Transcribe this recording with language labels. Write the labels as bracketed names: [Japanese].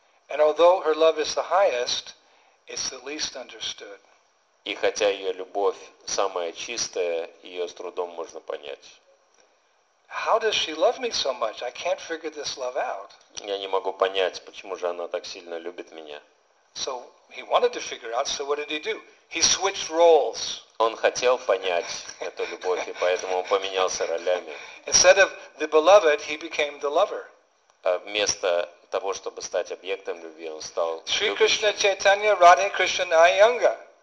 [English] And although her love is the highest, it's the least understood. [Russian] И хотя ее любовь самая чистая, ее с трудом можно понять. [English] How does she love me so much? I can't figure this love out. [Russian] Я не могу понять, почему же она так сильно любит меня. [English] So he wanted to figure out. So what did he do? He switched roles. [Russian] Он хотел понять эту любовь, и поэтому он поменялся ролями. [English] Instead of the beloved, he became the lover. [Russian] Вместо того, чтобы стать объектом любви, он стал любящим. [Bangla] Шри Кришна Чайтанья Радхе Кришна Найанга.